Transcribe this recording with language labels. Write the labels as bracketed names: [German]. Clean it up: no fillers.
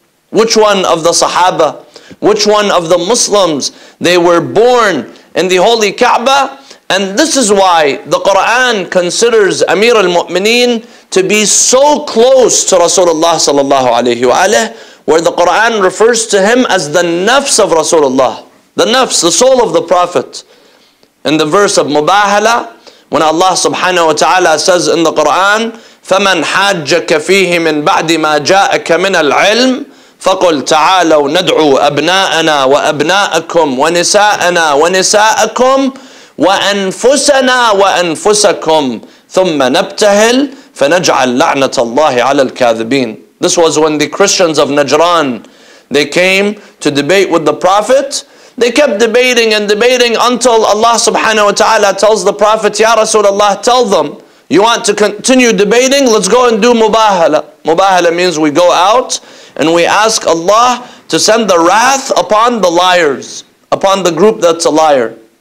[English] Which one of the Sahaba, which one of the Muslims, they were born in the Holy Kaaba? And this is why the Quran considers Amir al-Mu'mineen to be so close to Rasulullah sallallahu alayhi wa alayhi, where the Quran refers to him as the nafs of Rasulullah, the nafs, the soul of the Prophet. In the verse of Mubahala, when Allah subhanahu wa ta'ala says in the Quran, [Arabic] فَمَنْ حَاجَّكَ فِيهِ مِنْ بَعْدِ مَا جَاءَكَ مِنَ الْعِلْمِ فَقُلْ تَعَالَوْ نَدْعُوا أَبْنَاءَنَا وَأَبْنَاءَكُمْ وَنِسَاءَنَا وَنِسَاءَكُمْ وَأَنفُسَنَا وَأَنفُسَكُمْ ثُمَّ نَبْتَهِلْ فَنَجْعَلْ لَعْنَةَ اللَّهِ عَلَى الْكَاذِبِينَ. [English] This was when the Christians of Najran, they came to debate with the Prophet. They kept debating and debating until Allah subhanahu wa ta'ala tells the Prophet, Ya Rasulullah, tell them, you want to continue debating? Let's go and do mubahala. Mubahala means we go out and we ask Allah to send the wrath upon the liars, upon the group that's a liar.